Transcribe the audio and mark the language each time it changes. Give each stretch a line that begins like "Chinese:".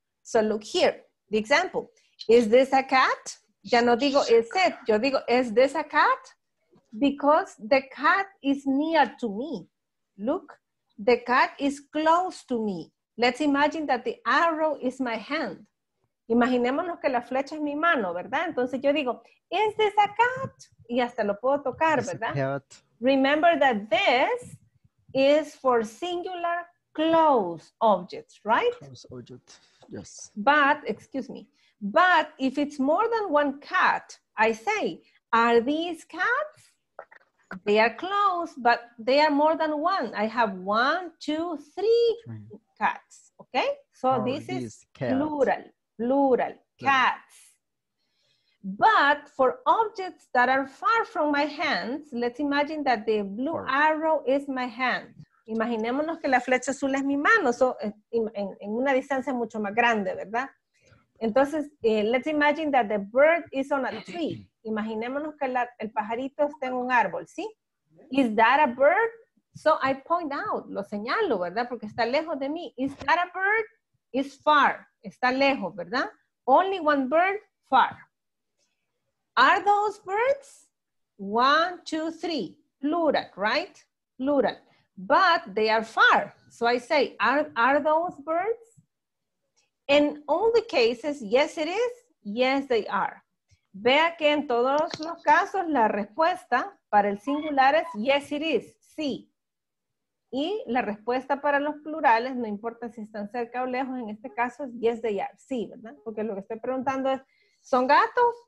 English: So look here, the example. Is this a cat?
Spanish: Ya no digo
English: is it.
Spanish: Yo digo,
English: is this a cat? Because the cat is near to me. Look, the cat is close to me. Let's imagine that the arrow is my hand.
Spanish: Imaginémonos que la flecha es mi mano, ¿verdad? Entonces yo digo,
English: is this a cat?
Spanish: Y hasta lo puedo tocar, ¿verdad?
English: It's a cat. Remember that this is for singular close objects, right? Close object, yes. But, excuse me, but if it's more than one cat, I say, are these cats? They are close, but they are more than one. I have one, two, three cats, okay? So are this is cats. plural, cats. But for objects that are far from my hands, let's imagine that the blue arrow is my hand.
Spanish: Imaginémonos que la flecha azul es mi mano, so en una distancia mucho más grande, ¿verdad?
English: Entonces, let's imagine that the bird is on a tree.
Spanish: Imaginémonos que el pajarito está en un árbol, ¿sí?
English: Is that a bird? So I point out,
Spanish: lo señalo, ¿verdad? Porque está lejos de mí.
English: Is that a bird? It's far.
Spanish: Está lejos, ¿verdad?
English: Only one bird, far. Are those birds? One, two, three. Plural, right? Plural. But they are far. So I say, are those birds? In all the cases, yes it is, yes they are.
Spanish: Vea que en todos los casos la respuesta para el singular es
English: yes it is,
Spanish: sí. Y la respuesta para los plurales, no importa si están cerca o lejos, en este caso es
English: yes they are,
Spanish: sí, ¿verdad? Porque lo que estoy preguntando es, ¿son gatos?